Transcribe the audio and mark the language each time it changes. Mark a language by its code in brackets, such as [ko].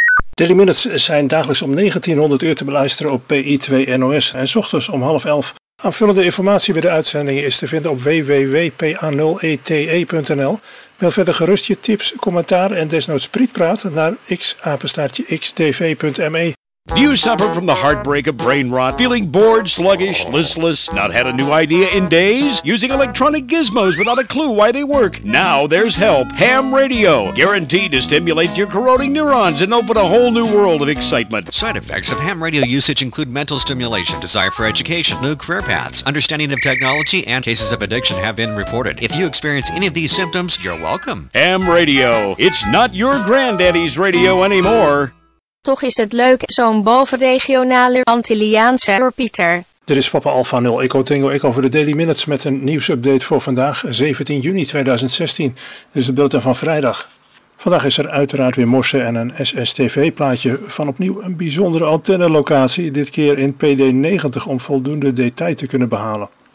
[nl] Daily Minutes zijn dagelijks om 1900 uur te beluisteren op PI2NOS en 's ochtends om 10:30. Aanvullende informatie bij de uitzendingen is te vinden op www.pa0ete.nl. Mail verder gerust je tips, commentaar en desnoods prietpraat naar xapenstaartjexdv.me. [en] Do you suffer from the heartbreak of brain rot? Feeling bored, sluggish, listless? Not had a new idea in days? Using electronic gizmos without a clue why they work? Now there's help. Ham Radio. Guaranteed to stimulate your corroding neurons and open a whole new world of excitement. Side effects of ham radio usage include mental stimulation, desire for education, new career paths, understanding of technology, and cases of addiction have been reported. If you experience any of these symptoms, you're welcome. Ham Radio. It's not your granddaddy's radio anymore. [nl] Toch is het leuk, zo'n bovenregionale Antilliaanse repeater. Dit is Papa Alpha 0 Echo Tango Echo voor de Daily Minutes met een nieuwsupdate voor vandaag, 17 juni 2016. Dit is de bulletin van vrijdag. Vandaag is er uiteraard weer morsen en een SSTV-plaatje van opnieuw een bijzondere antennelocatie, dit keer in PD90 om voldoende detail te kunnen behalen.